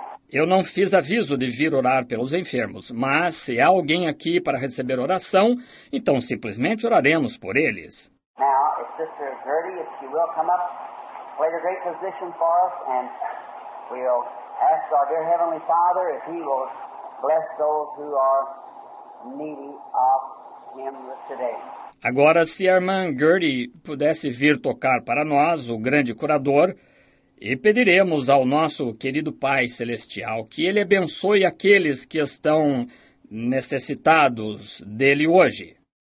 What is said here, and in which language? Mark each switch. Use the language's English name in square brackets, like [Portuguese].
[Portuguese] Eu não fiz aviso de vir orar pelos enfermos, mas se há alguém aqui para receber oração, então simplesmente oraremos por eles. [English] Now, if Sister Gertie, if she will come up, play a great position for us, and we'll ask our dear Heavenly Father if He will bless those who are needy of Him today. [Portuguese] Agora, se a irmã Gertie pudesse vir tocar para nós, o grande curador, e pediremos ao nosso querido Pai Celestial que Ele abençoe aqueles que estão necessitados dEle hoje.